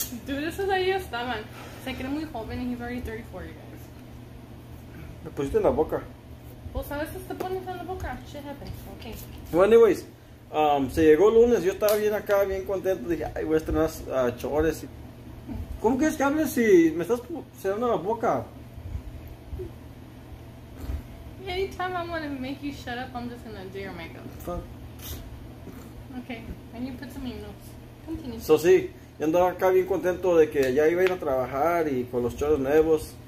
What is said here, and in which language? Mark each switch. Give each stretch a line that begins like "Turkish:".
Spanish: Dude, esos ahí estaban. Se cree muy joven
English: and he's already 34, you guys.
Spanish: Me pusiste en la boca. Pues a veces te pones en la boca.
English: Shit happens. Okay. Well, anyways.
Spanish: Se llegó el lunes, yo estaba bien acá, bien contento. Dije, ay, voy a estrenar chores. ¿Cómo quieres que hables si me estás cerrando la boca?
English: Anytime I'm gonna make you shut up, I'm just gonna do your makeup. Okay, and you put some notes. Continue.
Spanish: So, sí, yo andaba acá bien contento de que ya iba a ir a trabajar y con los chores nuevos.